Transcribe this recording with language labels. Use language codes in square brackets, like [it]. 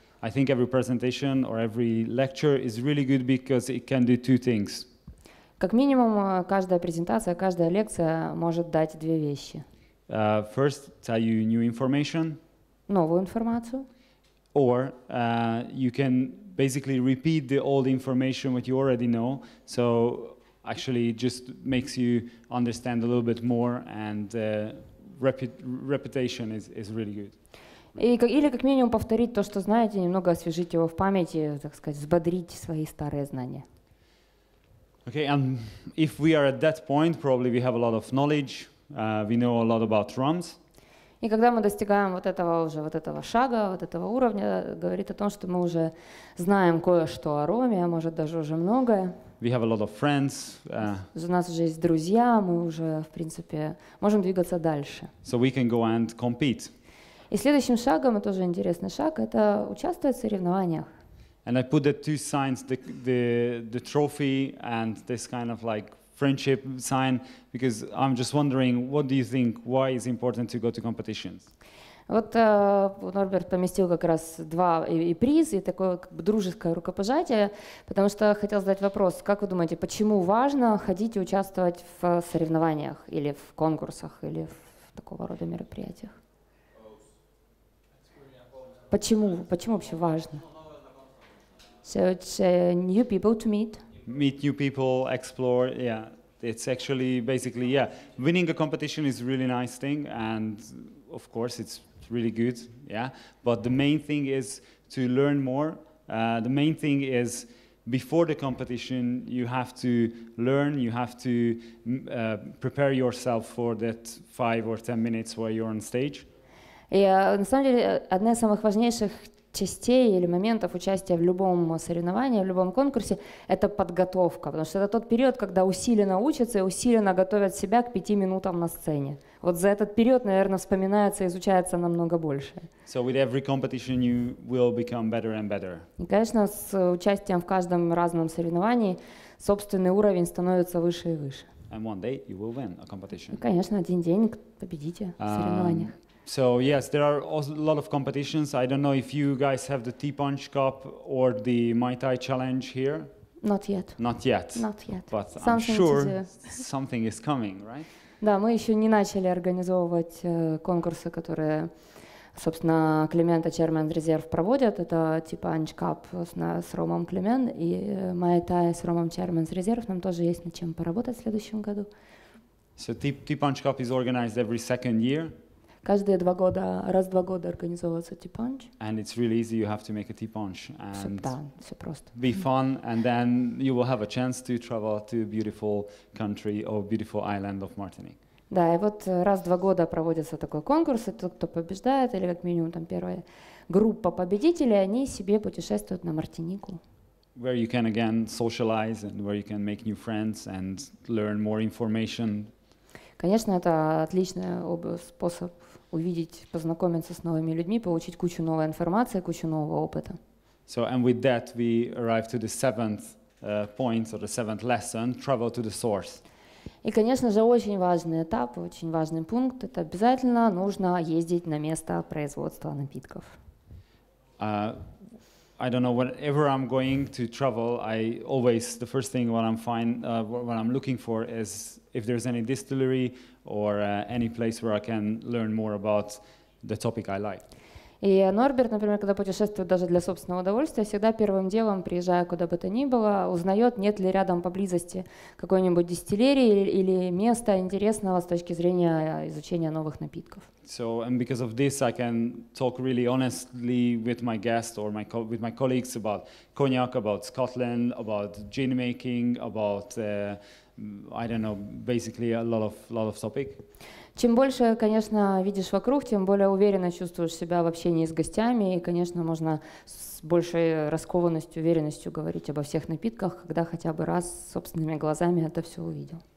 [en] I think every presentation or every lecture is really good because it can do 2 things. [ru] Как минимум, каждая презентация, каждая лекция может дать 2 вещи. [en] First, tell you new information. [ru] Новую информацию. [en] Or you can basically repeat the old information what you already know. So actually it just makes you understand a little bit more and repetition is really good. [ru] Или как минимум повторить то, что знаете, немного освежить его в памяти, так сказать, взбодрить свои старые знания. [en] Okay, and if we are at that point, probably we have a lot of knowledge. We know a lot about rums. [ru] И когда мы достигаем вот этого уже вот этого шага, вот этого уровня, говорит о том, что мы уже знаем кое-что о роме, а может даже уже многое. [en] We have a lot of friends. [ru] У нас уже есть друзья, мы уже в принципе можем двигаться дальше. [en] So we can go and compete. [ru] И следующим шагом, это тоже интересный шаг, это участвовать в соревнованиях. [en] And I put the 2 signs, the trophy and this kind of like friendship sign, because I'm just wondering, what do you think, why is it important to go to competitions? [ru] Вот Норберт поместил как раз 2 и приз, и такое как бы дружеское рукопожатие, потому что хотел задать вопрос, как вы думаете, почему важно ходить и участвовать в соревнованиях, или в конкурсах, или в такого рода мероприятиях? Почему? Почему вообще важно? [en] So it's new people to meet. Meet new people, explore. Yeah, it's actually basically yeah. Winning a competition is a really nice thing, and of course it's really good. Yeah, but the main thing is to learn more. The main thing is before the competition you have to learn. You have to prepare yourself for that 5 or 10 minutes while you're on stage. [ru] Yeah, на самом деле одна из самых важнейших частей или моментов участия в любом соревновании, в любом конкурсе – это подготовка, потому что это тот период, когда усиленно учатся и усиленно готовят себя к 5 минутам на сцене. Вот за этот период, наверное, вспоминается и изучается намного больше. [en] So with every competition you will become better and better. [ru] И, конечно, с участием в каждом разном соревновании собственный уровень становится выше и выше. [en] And one day you will win a competition. [ru] И, конечно, один день победите в соревнованиях. [en] So yes, there are a lot of competitions. I don't know if you guys have the T-Punch Cup or the Muay Thai Challenge here. Not yet. Not yet. Not yet. But something I'm sure something is coming, right? [ru] Да, мы еще не начали организовывать конкурсы, которые, собственно, Климента Чермен Резерв проводят. Это T-Punch Cup с Ромом Климент и Muay Thai с Ромом Чермен Резерв. Нам тоже есть над чем поработать в следующем году. [en] So T-Punch Cup is organized every second year. [ru] Каждые два года, раз в два года организовывается T-Punch. [en] And it's really easy, you have to make a T-Punch. [ru] Да, все просто. [en] Be fun, and then you will have a chance to travel to a beautiful country or beautiful island of Martinique. [ru] Да, и вот раз в два года проводится такой конкурс, и тот, кто побеждает, или как минимум там первая группа победителей, они себе путешествуют на Мартинику. [en] Where you can again socialize, and where you can make new friends, and learn more information. [ru] Конечно, это отличный способ увидеть, познакомиться с новыми людьми, получить кучу новой информации, кучу нового опыта. [en] So, and with that we arrive to the seventh point, or the seventh lesson, travel to the source. [ru] И, конечно же, очень важный этап, очень важный пункт, это обязательно нужно ездить на место производства напитков. [en] I don't know, whenever I'm going to travel, I always, the first thing what I'm what I'm looking for is if there's any distillery or any place where I can learn more about the topic I like. [ru] И Норберт, например, когда путешествует даже для собственного удовольствия, всегда первым делом, приезжая куда бы то ни было, узнает, нет ли рядом поблизости какой-нибудь дистиллерии или места интересного с точки зрения изучения новых напитков. [en] So, and because of this, I can talk really honestly with my guest or with my colleagues about cognac, about Scotland, about gin making, about, I don't know, basically a lot of topic. [ru] Чем больше, конечно, видишь вокруг, тем более уверенно чувствуешь себя в общении с гостями, и, конечно, можно с большей раскованностью, уверенностью говорить обо всех напитках, когда хотя бы раз собственными глазами это все увидел.